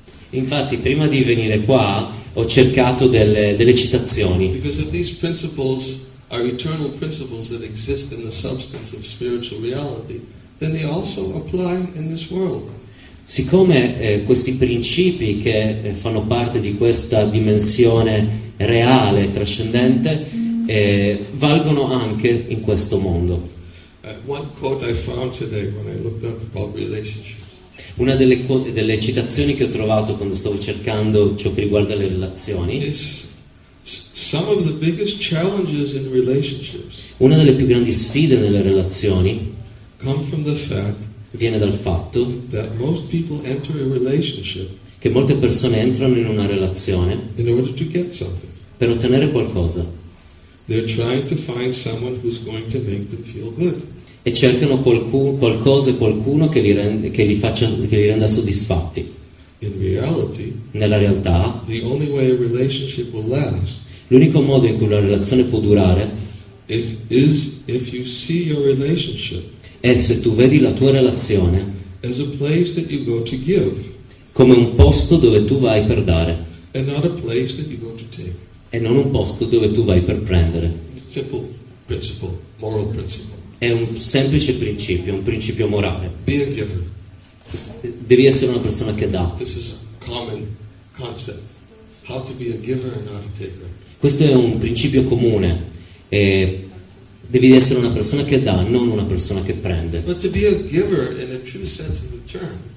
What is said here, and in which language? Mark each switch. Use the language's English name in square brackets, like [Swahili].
[Italian] Infatti, prima di venire qua, ho cercato delle citazioni. [English] Because if these principles are eternal principles that exist in the substance of spiritual reality, then they also apply in this world. [Italian] Siccome questi principi che fanno parte di questa dimensione reale, trascendente, valgono anche in questo mondo. [English] One quote I found today when I looked up about relationships. [Italian] Una delle citazioni che ho trovato quando stavo cercando ciò che riguarda le relazioni. [English] Some of the biggest challenges in relationships. [Italian] Una delle più grandi sfide nelle relazioni. [English] Come from the fact. [Italian] Viene dal fatto. [English] That most people enter a relationship. [Italian] Che molte persone entrano in una relazione. [English] In order to get something. [Italian] Per ottenere qualcosa. [English] They're trying to find someone who's going to make them feel good. [Italian] E cercano qualcuno che li renda soddisfatti. [English] In reality, [Italian] nella realtà, [English] the only way a relationship will last, [Italian] l'unico modo in cui una relazione può durare [English] if you see your relationship, [Italian] è se tu vedi la tua relazione [English] as a place that you go to give, [Italian] come un posto dove tu vai per dare [English] and not a place that you go to take. [Italian] E non un posto dove tu vai per prendere. [English] Simple principle, moral principle. [Italian] È un semplice principio, un principio morale. [English] Be a giver. [Italian] Devi essere una persona che dà. [English] This is a common concept. How to be a giver and not a taker. [Italian] Questo è un principio comune. devi essere una persona che dà, non una persona che prende. [English] But to be a giver in a true sense of the term.